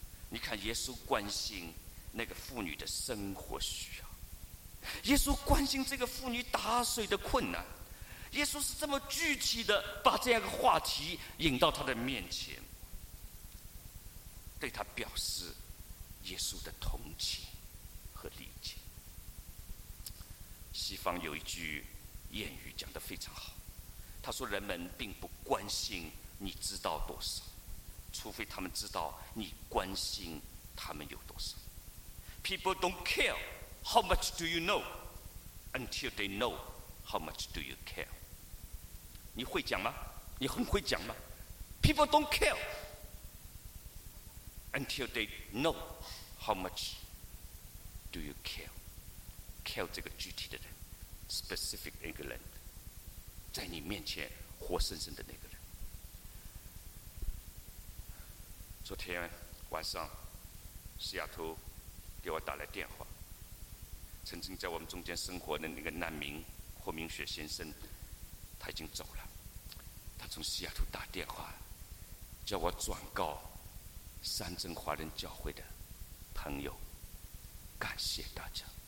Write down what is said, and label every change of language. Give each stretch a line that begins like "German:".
Chinese: 你看耶稣关心那个妇女的生活需要，耶稣关心这个妇女打水的困难，耶稣是这么具体的把这样的话题引到他的面前，对他表示耶稣的同情和理解。西方有一句谚语讲得非常好，他说人们并不关心你知道多少，除非他们知道你关心他们有多少。
English: People don't care how much do you know until they know how much do you care。
Chinese: 你会讲吗？你很会讲吗？
English: People don't care until they know how much do you care。
Chinese: care 这个具体的人，
English: specific England，
Chinese: 在你面前活生生的那个人。昨天晚上西雅图给我打来电话，曾经在我们中间生活的那个难民霍明雪先生，他已经走了，他从西雅图打电话叫我转告三正华人教会的朋友，感谢大家。